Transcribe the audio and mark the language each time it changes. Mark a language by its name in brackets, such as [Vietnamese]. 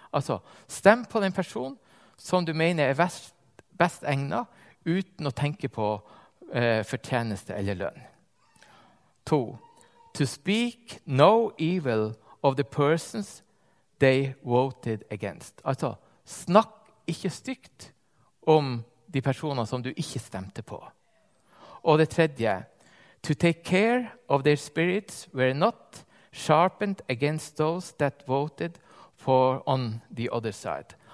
[Norwegian] Altså, stem på den personen som du mener er best egnet, uten å tenke på fortjeneste eller lønn. [English] To, to speak no evil of the persons they voted against. [Norwegian] Altså, snakk ikke stygt om de personer som du ikke stemte på. Og det tredje, [English] to take care of their spirits were not sharpened against those that voted for on the other side.